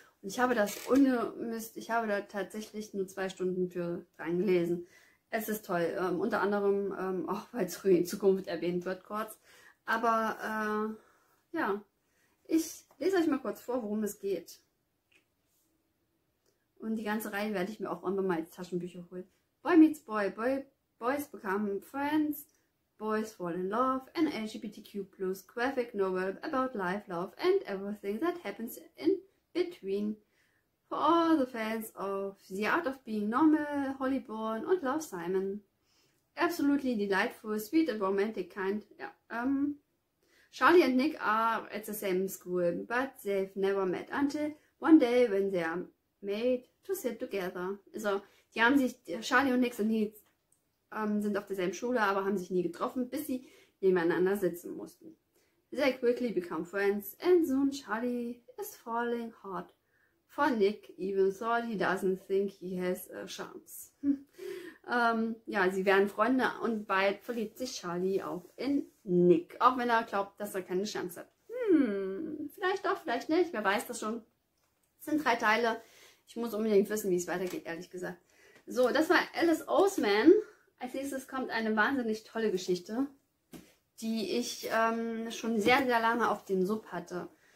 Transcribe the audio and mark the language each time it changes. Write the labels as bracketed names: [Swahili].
[German] Und ich habe das ungemisst, ich habe da tatsächlich nur 2 Stunden für reingelesen. Es ist toll, unter anderem auch, weil es früh in Zukunft erwähnt wird, kurz. Aber ja, ich lese euch mal kurz vor, worum es geht. Und die ganze Reihe werde ich mir auch irgendwann mal als Taschenbücher holen. [English] Boy meets Boy, Boys become friends, Boys fall in love, an LGBTQ+, graphic novel about life, love and everything that happens in between, for all the fans of The Art of Being Normal, Holly Bourne und Love, Simon. Absolutely delightful, sweet and romantic kind. Ja, Charlie and Nick are at the same school, but they've never met until one day when they are made to sit together. [German] Also, die haben sich, Charlie und Nick sind, nie, sind auf derselben Schule, aber haben sich nie getroffen, bis sie nebeneinander sitzen mussten. [English] They quickly become friends and soon Charlie is falling hard for Nick, even though he doesn't think he has a chance. [German] ja, sie werden Freunde und bald verliebt sich Charlie auch in Nick, auch wenn er glaubt, dass er keine Chance hat. Vielleicht doch, vielleicht nicht, wer weiß das schon. Es sind 3 Teile, ich muss unbedingt wissen, wie es weitergeht, ehrlich gesagt. So, das war Alice Oseman. Als nächstes kommt eine wahnsinnig tolle Geschichte, die ich schon sehr, sehr lange auf dem Sub hatte.